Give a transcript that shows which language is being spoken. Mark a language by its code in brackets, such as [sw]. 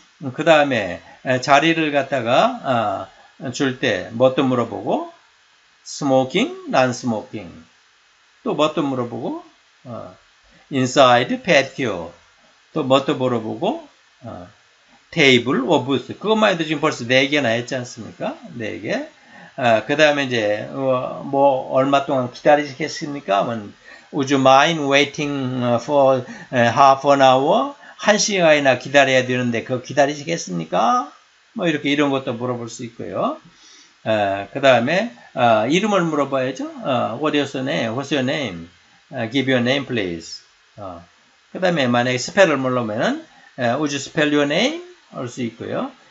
[ko] 그 다음에 자리를 갖다가 줄 때 뭣도 물어보고 [en] smoking, non-smoking [ko] 또 뭣도 물어보고 [en] inside patio [ko] 또 뭣도 물어보고 테이블 오브 스. 그것만 해도 지금 벌써 네 개나 했지 않습니까? 네 개. 그 다음에 이제 뭐 얼마 동안 기다리시겠습니까? [en] Would you mind waiting for half an hour? [ko] 한 시간이나 기다려야 되는데 그거 기다리시겠습니까? 뭐 이렇게 이런 것도 물어볼 수 있고요. 그 다음에 이름을 물어봐야죠. [en] What is your name? What's your name? Give your name, please. [ko] 그 다음에 만약에 스펠을 물어보면 [en] Would you spell your name? [ko] 할 수 있고요.